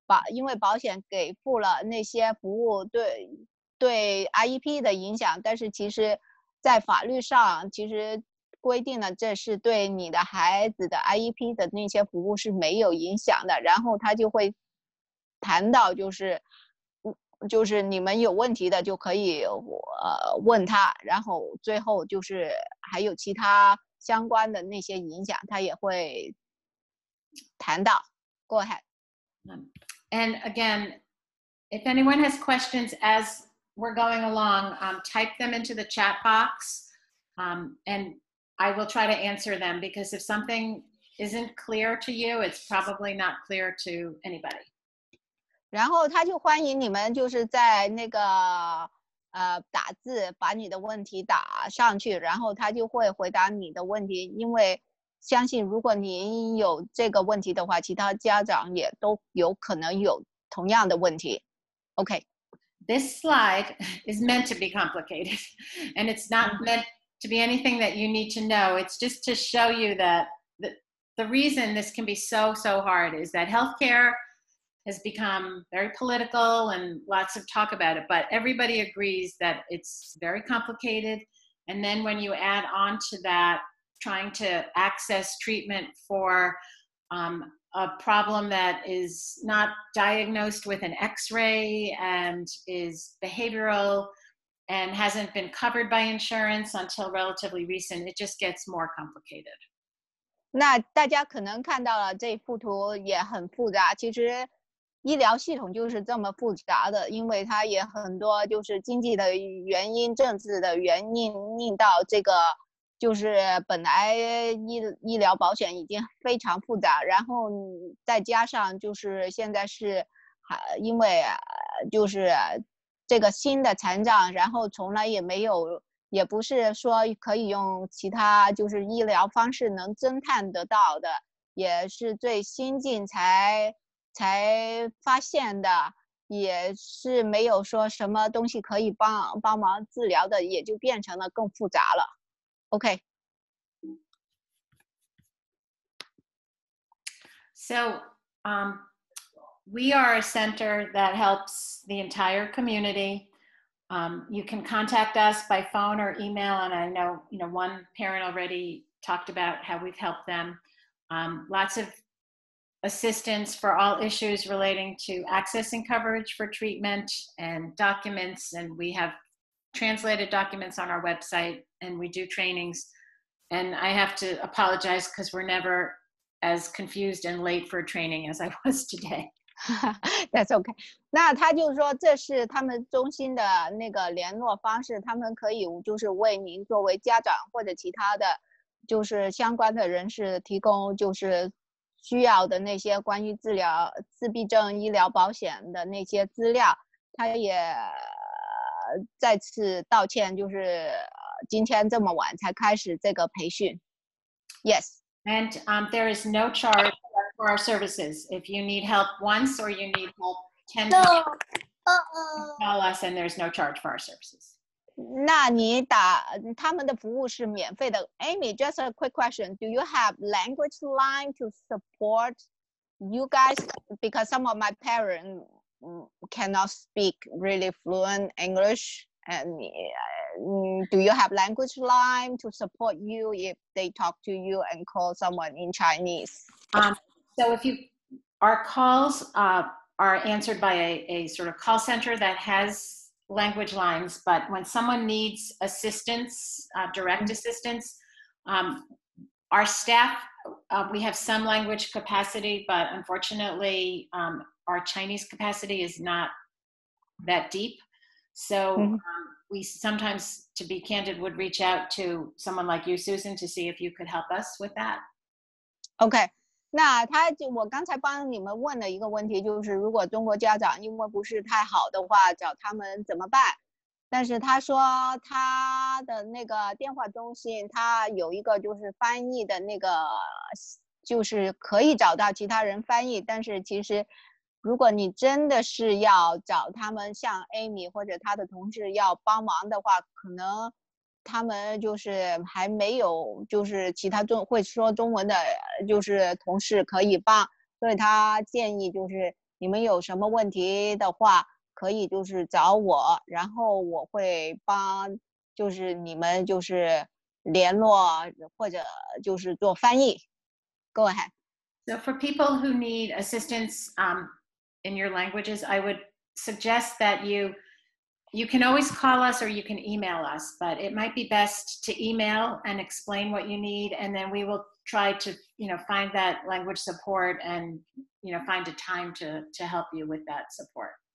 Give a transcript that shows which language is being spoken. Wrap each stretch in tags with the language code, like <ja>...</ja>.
<zh>因为保险给付了那些服务对 IEP 的影响，但是其实在法律上其实规定了这是对你的孩子的 IEP 的那些服务是没有影响的，然后他就会谈到就是你们有问题的就可以问他，然后最后就是还有其他相关的那些影响他也会谈到。</zh> <en>Go ahead. And again, if anyone has questions as we're going along, type them into the chat box. And I will try to answer them, because if something isn't clear to you, it's probably not clear to anybody.</en> <zh>然后他就欢迎你们就是在那个打字把你的问题打上去，然后他就会回答你的问题，因为相信如果您有这个问题的话，其他家长也都有可能有同样的问题。</zh> <en>OK, this slide is meant to be complicated, and it's not meant to be anything that you need to know. It's just to show you that the reason this can be so, so hard is that healthcare has become very political and lots of talk about it, but everybody agrees that it's very complicated. And then when you add on to that, trying to access treatment for a problem that is not diagnosed with an X-ray and is behavioral and hasn't been covered by insurance until relatively recent, it just gets more complicated.</en> <zh>那大家可能看到了这幅图也很复杂，其实医疗系统就是这么复杂的，因为它也很多就是经济的原因、政治的原因，令到这个就是本来医疗保险已经非常复杂，然后再加上就是现在是因为就是这个新的残障，然后从来也没有，也不是说可以用其他就是医疗方式能侦探得到的，也是最新近才发现的，也是没有说什么东西可以帮忙治疗的，也就变成了更复杂了。 OK,</zh> <en>so we are a center that helps the entire community. You can contact us by phone or email, and I know, you know, one parent already talked about how we've helped them. Lots of assistance for all issues relating to accessing coverage for treatment and documents, and we have translated documents on our website, and we do trainings. And I have to apologize because we're never as confused and late for training as I was today. That's okay.</en> <zh>那他就说这是他们中心的那个联络方式，他们可以就是为您作为家长或者其他的就是相关的人士提供就是需要的那些关于治疗自闭症医疗保险的那些资料。他也再次道歉，就是今天这么晚才开始这个培训。</zh> <en>Yes, and there is no chargefor our services. If you need help once or you need help 10 times, call us and there's no charge for our services.</en> <zh>那你打他们的服务是免费的。</zh> <en>Amy, just a quick question. Do you have language line to support you guys? Because some of my parents cannot speak really fluent English. And do you have language line to support you if they talk to you and call someone in Chinese? So if you, our calls are answered by a sort of call center that has language lines, but when someone needs assistance, direct assistance, our staff, we have some language capacity, but unfortunately our Chinese capacity is not that deep. So we sometimes, to be candid, would reach out to someone like you, Susan, to see if you could help us with that. Okay.</en> <zh>那他就我刚才帮你们问的一个问题，就是如果中国家长英文不是太好的话，找他们怎么办？但是他说他的那个电话中心，他有一个就是翻译的那个，就是可以找到其他人翻译。但是其实，如果你真的是要找他们，像 Amy 或者他的同事要帮忙的话，可能他们就是还没有就是其他中会说中文的就是同事可以帮，所以他建议就是你们有什么问题的话可以就是找我，然后我会帮就是你们就是联络或者就是做翻译。</zh> <en>Go ahead. So for people who need assistance in your languages, I would suggest that you can always call us or you can email us, but it might be best to email and explain what you need, and then we will try to, you know, find that language support and, you know, find a time to help you with that support.</en>